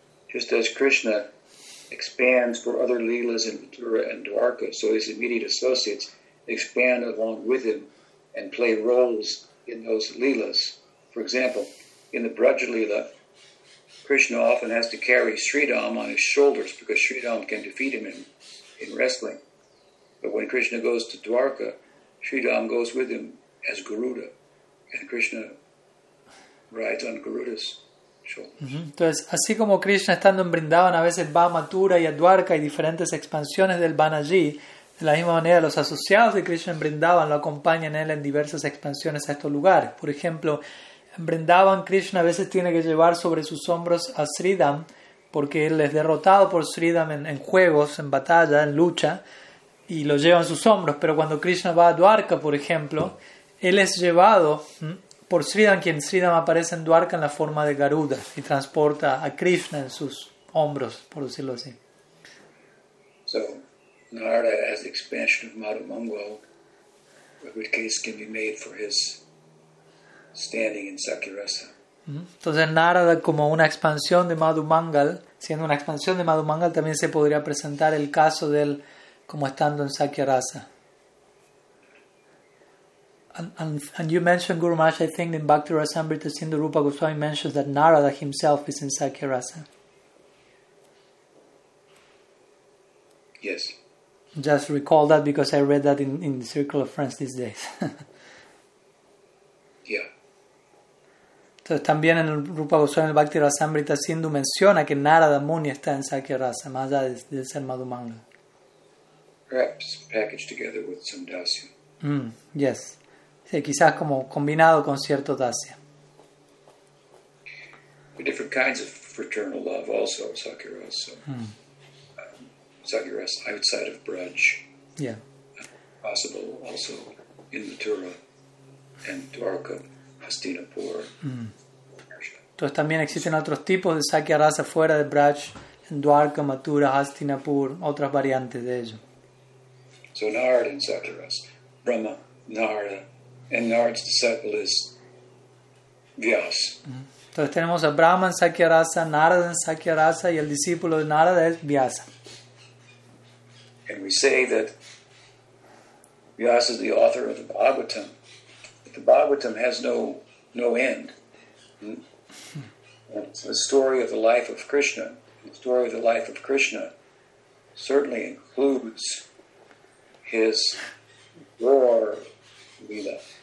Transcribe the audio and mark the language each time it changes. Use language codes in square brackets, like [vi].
[en] Just as Krishna expands for other Leelas in Mathura and Dwarka, so his immediate associates expand along with him and play roles in those leelas. For example, in the Braj Leela, Krishna often has to carry Sridham on his shoulders because Sridham can defeat him in wrestling. But when Krishna goes to Dwarka, Sri Ram goes with him as Garuda, and Krishna rides on Garuda's shoulders. Mm-hmm. [es] Entonces, así como Krishna estando en Vrindavan a veces va a Mathura y a Dwarka y diferentes expansiones del van allí, de la misma manera los asociados de Krishna en Vrindavan lo acompañan él en diversas expansiones a estos lugares. Por ejemplo, en Vrindavan Krishna a veces tiene que llevar sobre sus hombros a Sridham porque él es derrotado por Sridham en juegos, en batalla, en lucha, y lo lleva en sus hombros. Pero cuando Krishna va a Dwarka, por ejemplo, él es llevado por Sridham, quien Sridham aparece en Dwarka en la forma de Garuda y transporta a Krishna en sus hombros, por decirlo así. [en] So, Narada has the expansion of Madhu Mangal, which case can be made for his standing in Sakirasa. [es] Entonces Narada como una expansión de Madhu Mangal, siendo una expansión de Madhu Mangal, también se podría presentar el caso de él como estando en Sakirasa. [en] And you mentioned, Guru Maharaj, I think in Bhakti Rasamrita, Sindhu Rupa Goswami mentions that Narada himself is in Sakirasa. Yes. Just recall that because I read that in the Circle of Friends these days. Yeah. [es] Entonces también en el Rupa Goswami, el Bhakti Rasamrita, Sindhu menciona que Narada Muni está en Sakirasa, más allá de ser Madhu Mangal. [en] Perhaps packaged together with some dasya. [es] Yes. Sí, quizás como combinado con cierto dasya. [en] Different kinds of fraternal love also, Sakirasa. Sakirasa outside of Braj. Yeah. Possible also in Mathura and Dwarka, Hastinapur. [es] Entonces también existen otros tipos de Sakirasa fuera de Braj, en Dwarka, Mathura, Hastinapur, otras variantes de ello. [en] So Narada and Sakirasa, Brahma, Narada, and Narada's disciple is Vyas. [es] Entonces tenemos a Brahma en Sakirasa, Narada en Sakirasa, y el discípulo de Narada es Vyasa. [en] And we say that Vyasa is the author of the Bhagavatam, but the Bhagavatam has no end. It's the story of the life of Krishna. The story of the life of Krishna certainly includes his war lila.